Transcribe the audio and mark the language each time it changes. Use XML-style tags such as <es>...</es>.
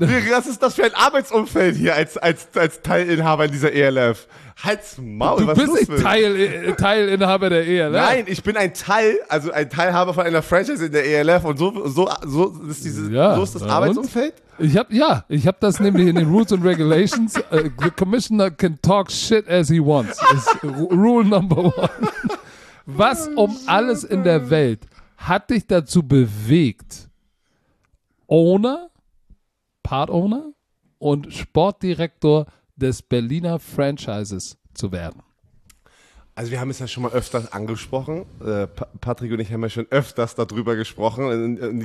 <de>Was ist das für ein Arbeitsumfeld hier als Teilinhaber in dieser ELF? Halt's Maul, du was bist los nicht Teilinhaber der ELF. Nein, ich bin ein Teilhaber von einer Franchise in der ELF und so ist dieses, ja, so ist das Arbeitsumfeld? Ich hab das nämlich in den</de> <en>Rules and Regulations. The Commissioner can talk shit as he wants.</en> <de>Ist</de> <en>Rule number one.</en> <de>Was um alles in der Welt hat dich dazu bewegt, Owner, Part-Owner und Sportdirektor des Berliner Franchises zu werden? Also wir haben es ja schon mal öfters angesprochen. Patrick und ich haben ja schon öfters darüber gesprochen.</de>